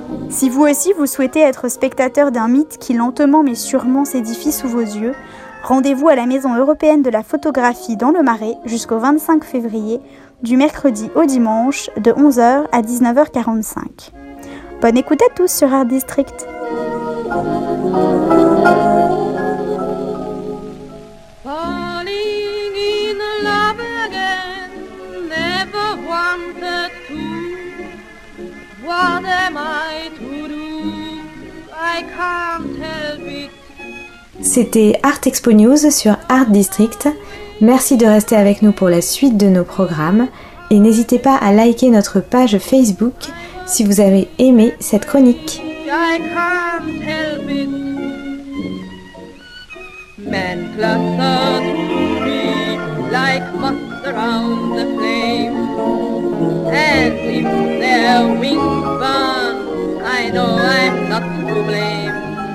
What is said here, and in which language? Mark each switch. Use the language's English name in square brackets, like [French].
[French] Si vous aussi vous souhaitez être spectateur d'un mythe qui lentement mais sûrement s'édifie sous vos yeux, rendez-vous à la Maison Européenne de la Photographie dans le Marais jusqu'au 25 février, du mercredi au dimanche, de 11h à 19h45. Bonne écoute à tous sur Art District. [English] Falling in love again, never wanted to. What am I to do? I can't help it. [French] C'était Art Expo News sur Art District. Merci de rester avec nous pour la suite de nos programmes et n'hésitez pas à liker notre page Facebook si vous avez aimé cette chronique. [English] I can't help it. Men cluster to me like moths around the flame. And if their wings burn, I know I'm not to blame.